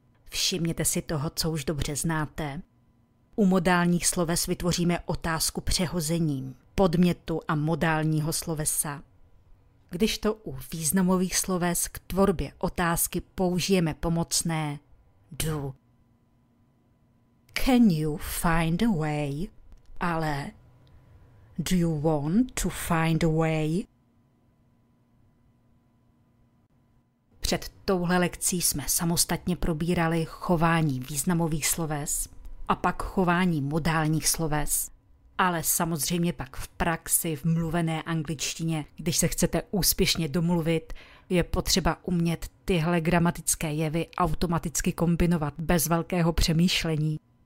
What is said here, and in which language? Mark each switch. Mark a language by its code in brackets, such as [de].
[cs] Všimněte si toho, co už dobře znáte. U modálních sloves vytvoříme otázku přehozením podmětu a modálního slovesa. Když to u významových sloves k tvorbě otázky použijeme pomocné do. [en] Can you find a way? [cs] Ale [en] do you want to find a way? [cs] Před touhle lekcí jsme samostatně probírali chování významových sloves a pak chování modálních sloves. Ale samozřejmě pak v praxi, v mluvené angličtině, když se chcete úspěšně domluvit, je potřeba umět tyhle gramatické jevy automaticky kombinovat bez velkého přemýšlení.